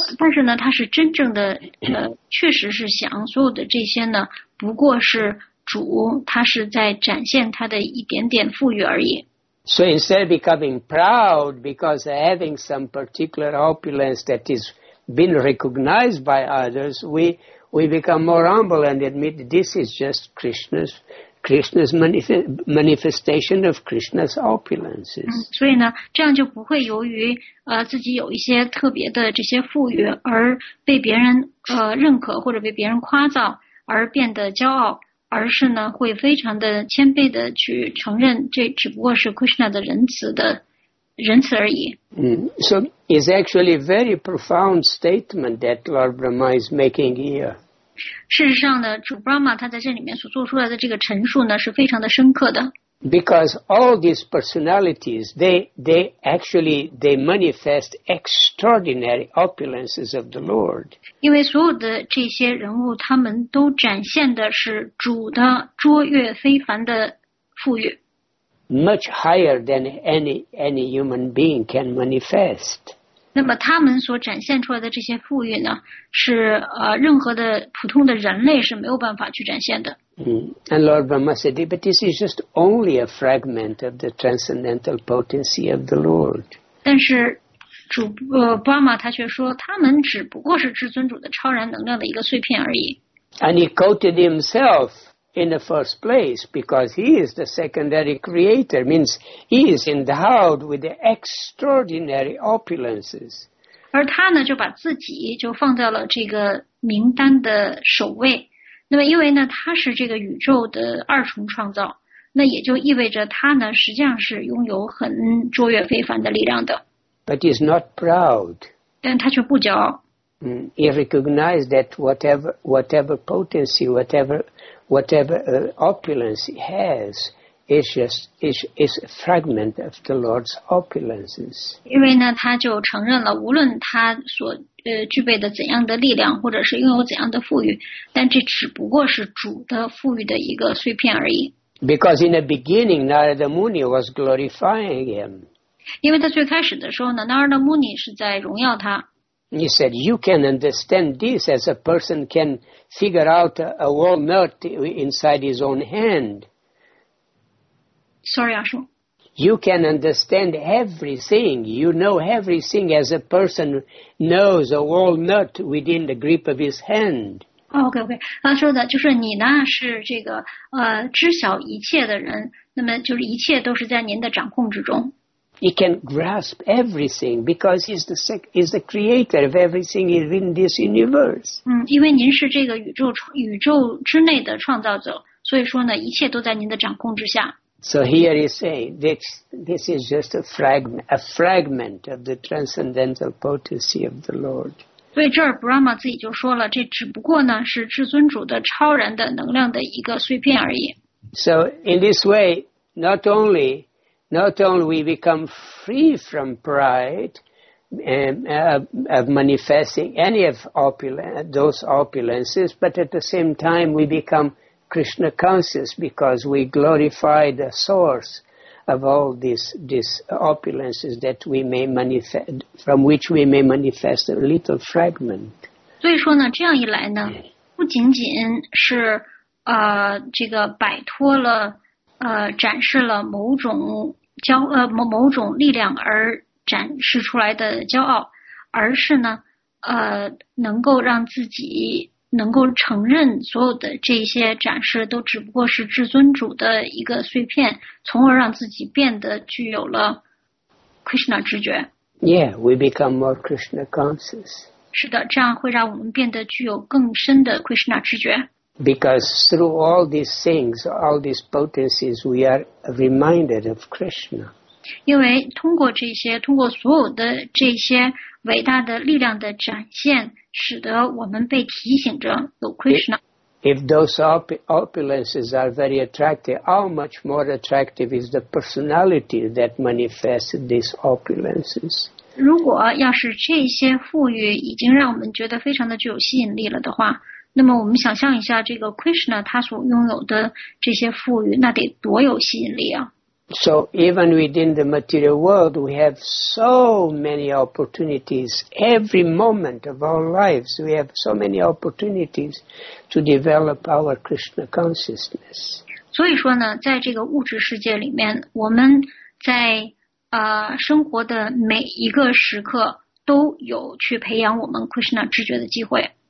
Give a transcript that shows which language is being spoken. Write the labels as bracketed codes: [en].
[zh] 但是呢，它是真正的，确实是想所有的这些呢，不过是主，他是在展现他的一点点富裕而已。 [en] So instead of becoming proud because of having some particular opulence that has been recognized by others, we become more humble and admit this is just Krishna's manifestation of Krishna's opulences. [zh] 所以呢，这样就不会由于自己有一些特别的这些富裕而被别人认可或者被别人夸造而变得骄傲，而是呢会非常的谦卑的去承认这只不过是 Krishna 的仁慈的仁慈而已。 [en] So it's actually a very profound statement that Lord Brahma is making here. [zh] 事实上呢，主 Brahma 他在这里面所做出来的这个陈述呢是非常的深刻的。 [en] Because all these personalities, they actually manifest extraordinary opulences of the Lord. [zh] 因为所有的这些人物，他们都展现的是主的卓越非凡的富裕。 [en] Much higher than any human being can manifest. [zh] 那么他们所展现出来的这些富裕呢，是任何的普通的人类是没有办法去展现的。 [en] And Lord Brahma said, but this is just only a fragment of the transcendental potency of the Lord. [zh] 但是主Brahma他却说，他们只不过是至尊主的超然能量的一个碎片而已。 [en] And he quoted himself in the first place because he is the secondary creator, means he is endowed with the extraordinary opulences. [zh] 而他呢，就把自己就放在了这个名单的首位。那么因为呢，他是这个宇宙的二重创造，那也就意味着他呢，实际上是拥有很卓越非凡的力量的。 [en] But he's not proud. [zh] 但他却不骄傲。 [en] He recognized that whatever potency, whatever opulence he has, is a fragment of the Lord's opulences. [zh] 因为呢，他就承认了，无论他所具备的怎样的力量，或者是拥有怎样的富裕，但这只不过是主的富裕的一个碎片而已。 [en] Because in the beginning, Narada Muni was glorifying him. [zh] 因为他最开始的时候呢 ，Narada Muni 是在荣耀他。 [en] He said, "You can understand this as a person can figure out a walnut inside his own hand." Sorry, [zh] 阿叔。 [en] You can understand everything. You know everything as a person knows a walnut within the grip of his hand. Okay. [zh] 他说的就是你呢是这个知晓一切的人，那么就是一切都是在您的掌控之中。 [en] He can grasp everything because he's the creator of everything within this universe. [zh] 因为您是这个宇宙之内的创造者，所以说呢，一切都在您的掌控之下。 [en] So here he's saying this is just a fragment of the transcendental potency of the Lord. [zh] 所以这儿 Brahma 自己就说了，这只不过呢是至尊主的超然的能量的一个碎片而已。 [en] So in this way, not only we become free from pride of manifesting any of those opulences, but at the same time we become Krishna conscious because we glorify the source of all these opulences that we may manifest, from which we may manifest a little fragment. [zh] 所以说呢，这样一来呢，不仅仅是这个摆脱了展示了某种骄某种力量而展示出来的骄傲，而是呢能够让自己能够承认所有的这些展示都只不过是至尊主的一个碎片，从而让自己变得具有了 Krishna 知觉。 [en] Yeah, we become more Krishna conscious. [zh] 是的，这样会让我们变得具有更深的 Krishna 知觉。 [en] Because through all these things, all these potencies, we are reminded of Krishna. [zh] 因为通过这些，通过所有的这些伟大的力量的展现，使得我们被提醒着有 Krishna。 [en] If those opulences are very attractive, how much more attractive is the personality that manifests these opulences? [zh] 如果要是这些富裕已经让我们觉得非常的具有吸引力了的话，那么我们想象一下这个 Krishna 他所拥有的这些富裕那得多有吸引力啊。 [en] So even within the material world, we have so many opportunities. Every moment of our lives, we have so many opportunities to develop our Krishna consciousness. [zh] 所以说呢，在这个物质世界里面，我们在生活的每一个时刻都有去培养我们 Krishna 知觉的机会。